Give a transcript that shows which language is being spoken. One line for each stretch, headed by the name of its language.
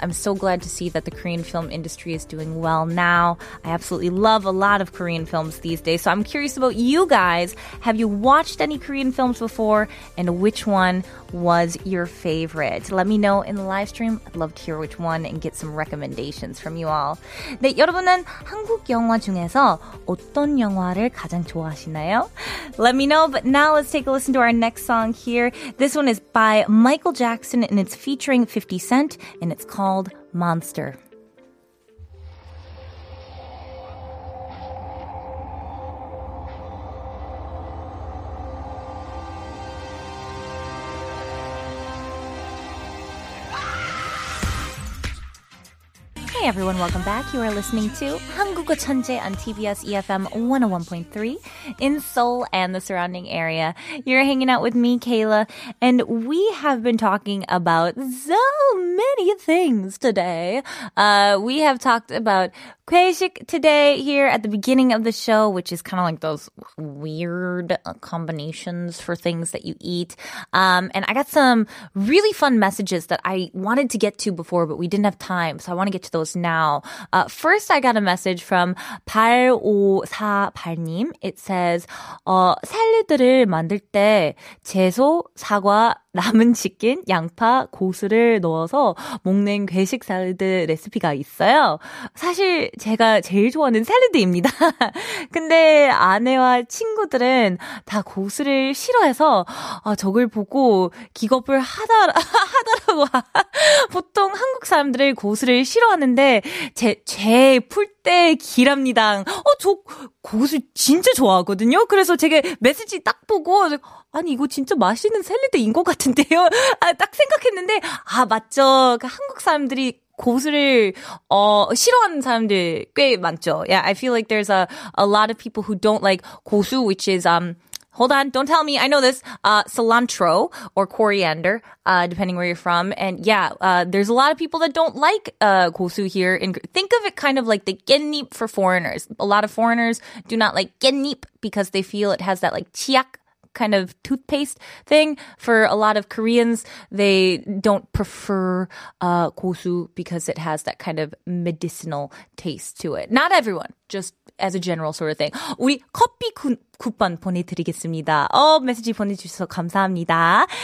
English: I'm so glad to see that the Korean film industry is doing well now. I absolutely love a lot of Korean films these days. So I'm curious about you guys. Have you watched any Korean films before? And which one was your favorite? Let me know in the live stream. I'd love to hear which one and get some recommendations from you all.
Korean: 네, 여러분은 한국 영화 중에서 어떤 영화를 가장 좋아하시나요?
English: Let me know. But now let's take a listen to our next song here. This one is by Michael Jackson and it's featuring 50 Cent and it's called Monster. Hey everyone, welcome back. You are listening to 한국어 천재 on TBS EFM 101.3 in Seoul and the surrounding area. You're hanging out with me, Kayla, and we have been talking about so many things today. We have talked about 회식 today here at the beginning of the show, which is kind of like those weird combinations for things that you eat. And I got some really fun messages that I wanted to get to before, but we didn't have time, so I want to get to those now. First, I got a message from 8548님. It says,
Korean: 샐러드를 만들 때 채소, 사과, 남은 치킨, 양파, 고수를 넣어서 먹는 괴식 샐러드 레시피가 있어요. 사실 제가 제일 좋아하는 샐러드입니다. 근데 아내와 친구들은 다 고수를 싫어해서 저걸 보고 기겁을 하더라고. 보통 한국 사람들은 고수를 싫어하는데 제 풀 때 기랍니다. 저 고수 진짜 좋아하거든요. 그래서 제가 메시지 딱 보고 아니 이거 진짜 맛있는 샐러드인 것 같은데요. 딱 생각했는데 아 맞죠. 한국 사람들이 고수를 싫어하는 사람들 꽤 많죠.
English: Yeah, I feel like there's a lot of people who don't like 고수, which is hold on, don't tell me. I know this. Cilantro or coriander, depending where you're from. And yeah, there's a lot of people that don't like 고수 here. Think of it kind of like the 깻잎 for foreigners. A lot of foreigners do not like 깻잎 because they feel it has that like 치약 kind of toothpaste thing. For a lot of Koreans, they don't prefer 고수 because it has that kind of medicinal taste to it. Not everyone, just as a general sort of thing.
Korean: 우리 커피 쿠폰 보내드리겠습니다. 어, 메시지 보내주셔서 감사합니다.